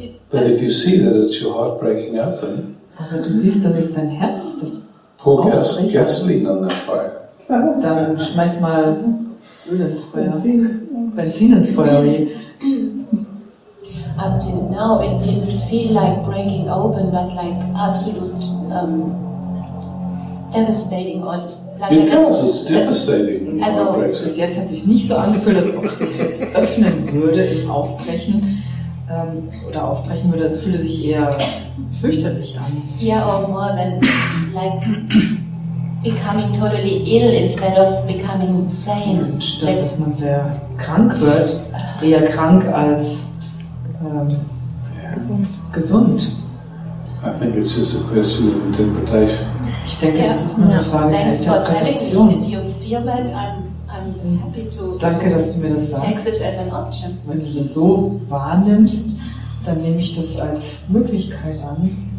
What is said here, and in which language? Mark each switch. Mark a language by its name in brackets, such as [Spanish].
[English] But if you see that it's your heart breaking up, then. [German] Aber du siehst, dass es dein Herz ist, das. [English] Pour gasoline on that fire. [German] Dann schmeiß mal Öl ins Feuer. Benzin ins Feuer. [English] Up till now, it didn't feel like breaking open, but like absolute devastating. Or like it's devastating. [German] Also, bis jetzt hat sich nicht so angefühlt, als ob es sich jetzt öffnen würde, aufbrechen oder aufbrechen würde. Es fühlte sich eher fürchterlich an. [English] Yeah, or more than like becoming totally ill instead of becoming sane. Und [German] statt dass man sehr krank wird, eher krank als gesund. [English] I think it's just a question of interpretation. [German] Ich denke, das ist nur eine Frage der Interpretation. [English] If you feel that, I'm happy to. [German] Danke, dass du mir das sagst. [English] As an option. [German] Wenn du das so wahrnimmst, dann nehme ich das als Möglichkeit an.